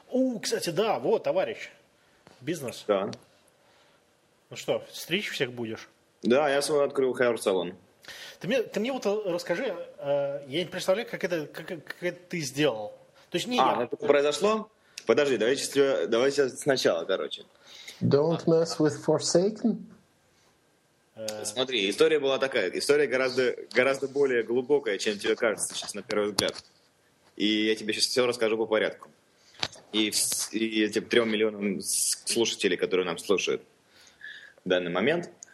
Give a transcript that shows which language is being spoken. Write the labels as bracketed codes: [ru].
[ru] О, кстати, да, вот, товарищ. Бизнес. Да. Ну что, стричь всех будешь? Да, я свой открыл хэр-салон. Ты мне вот расскажи, я не представляю, как это ты сделал. То есть, не а, я. Это произошло? Подожди, давайте сначала, короче. [en] Don't mess with forsaken. [ru] Смотри, история была такая. История гораздо более глубокая, чем тебе кажется сейчас на первый взгляд. И я тебе сейчас все расскажу по порядку. И этим 3 миллионам слушателей, которые нам слушают в данный момент...